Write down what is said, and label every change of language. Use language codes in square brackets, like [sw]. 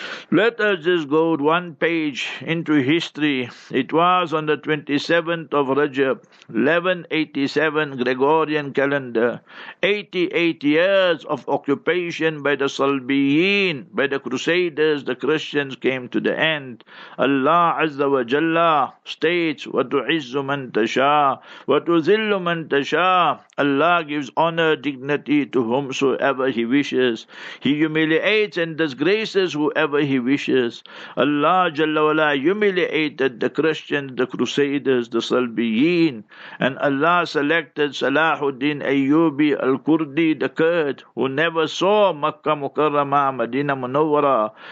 [en] Let us just go one page into history. It was on the 27th of Rajab, 1187 Gregorian calendar, 88 years of occupation by the Salbiyin, by the Crusaders, the Christians came to the end. Allah Azza wa Jalla states, [ar] وَتُعِزُّ مَنْ تَشَاءُ وَتُذِلُّ مَنْ تَشَاءُ. [en] Allah gives honor, dignity to whomsoever He wishes. He humiliates and disgraces whoever He wishes. Allah Jalla wa Jalla humiliated the Christians, the Crusaders, the Salbiyin, and Allah selected Salahuddin Ayyubi al-Kurdi, the Kurd, who never saw Makkah Mukarrama, Madinah Munawwara.